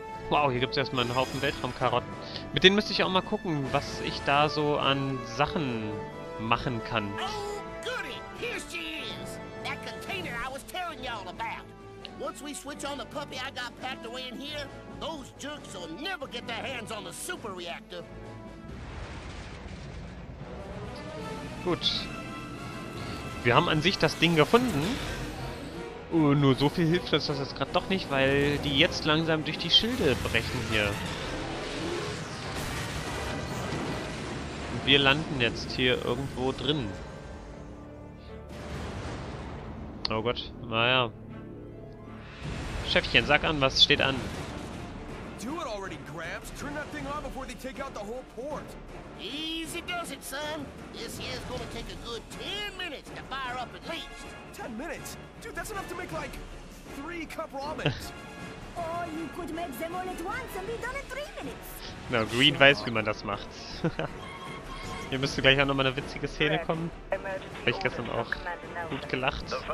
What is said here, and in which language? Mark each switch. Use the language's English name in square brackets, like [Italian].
[German] Wow, hier gibt es erstmal einen Haufen Weltraumkarotten. Mit denen müsste ich auch mal gucken, was ich da so an Sachen machen kann. Oh, goody! Hier ist sie! Der Container, den ich euch erzählt habe. [English] Once we switch on the puppy I got packed away in here, those jerks will never get their hands on the super reactor. [German] Gut. Wir haben an sich das Ding gefunden. Nur so viel hilft uns das jetzt gerade doch nicht, weil die jetzt langsam durch die Schilde brechen hier. Und wir landen jetzt hier irgendwo drin. Oh Gott, naja. Chefchen, sag an, was steht an? [English] Do it already, Gramps. Turn that thing on before they take out the whole port. Easy does it, son. This here's gonna take a good 10 minutes to fire up at least. 10 minutes? Dude, that's enough to make like 3 cup ramen. Or you could make them all at once and be done in 3 minutes. [German] Na, Green weiß, wie man das macht. Hier müsste gleich auch nochmal eine witzige Szene kommen. Habe ich gestern auch gut gelacht.